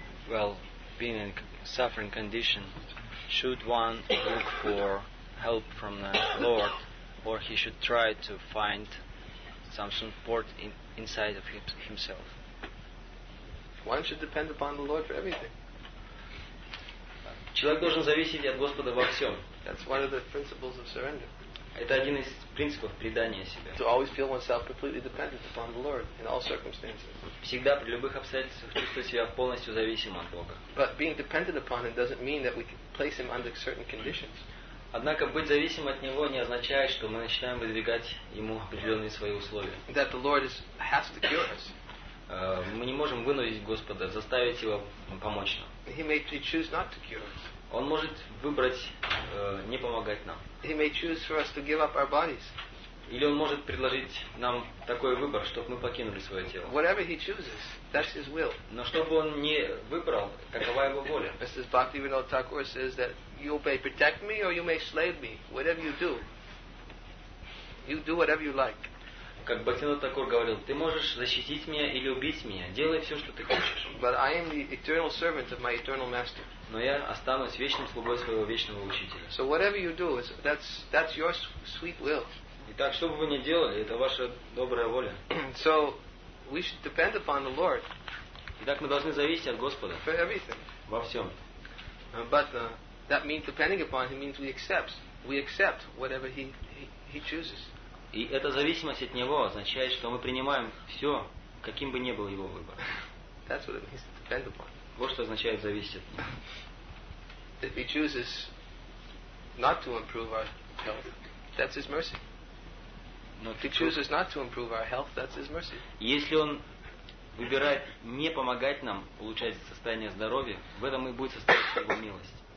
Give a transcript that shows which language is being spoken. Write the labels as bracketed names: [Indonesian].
[English] Well, being in suffering condition, should one look for help from the Lord, or he should try to find some support inside of himself? One should depend upon the Lord for everything. [Russian] Человек должен зависеть от Господа во всем. [English] That's one of the principles of surrender. [Russian] Это один из принципов предания себя. [English] To always feel oneself completely dependent upon the Lord in all circumstances. [Russian] Всегда при любых обстоятельствах чувствовать себя полностью зависимым от Бога. [English] But being dependent upon him doesn't mean that we can place him under certain conditions. [Russian] Однако быть зависим от него не означает, что мы начинаем выдвигать ему определенные свои условия. [English] That the Lord has to cure us. [Russian] Мы не можем вынудить Господа, заставить его помочь нам. [English] He may choose not to cure us. [Russian] Он может выбрать не помогать нам. [English] He may choose for us to give up our bodies. [Russian] Или он может предложить нам такой выбор, чтобы мы покинули свое тело. [English] Whatever he chooses, that's his will. [Russian] Но что бы он ни выбрал, такова его воля. [English] As this Bhaktivinoda Thakur says that you may protect me or you may slay me. Whatever you do whatever you like. [Russian] Как Бхактивинода Такур говорил, ты можешь защитить меня или убить меня. Делай все, что ты хочешь. [English] But I am the eternal servant of my eternal master. [Russian] Но я останусь вечным слугой своего вечного учителя. [English] So whatever you do, that's your sweet will. [Russian] Итак, что бы вы ни делали, это ваша добрая воля. [English] So we should depend upon the Lord. [Russian] Итак, мы должны зависеть от Господа. [English] For everything. [Russian] Во всем. [English] But that means depending upon him means we accept whatever he chooses. [Russian] И эта зависимость от него означает, что мы принимаем все, каким бы ни был его выбор. [English] That's what it means to depend upon. [Russian] Вот что означает зависеть от него. [English] If he chooses not to improve our health, that's his mercy. [Russian] Но [English] if he chooses not to improve our health, that's his mercy. [Russian] Если он выбирает не помогать нам улучшать состояние здоровья, в этом и будет состоять его милость.